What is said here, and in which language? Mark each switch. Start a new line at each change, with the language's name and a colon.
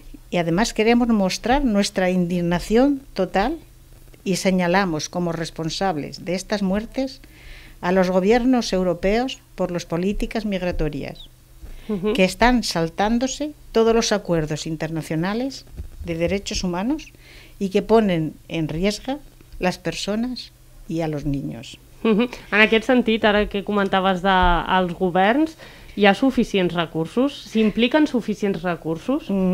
Spanish: Y además queremos mostrar nuestra indignación total y señalamos como responsables de estas muertes a los gobiernos europeos por las políticas migratorias, que están saltándose todos los acuerdos internacionales de derechos humanos y que ponen en riesgo las personas y a los niños.
Catalan: En aquest sentit, ara que comentaves dels governs, hi ha suficients recursos? ¿S'impliquen suficients recursos?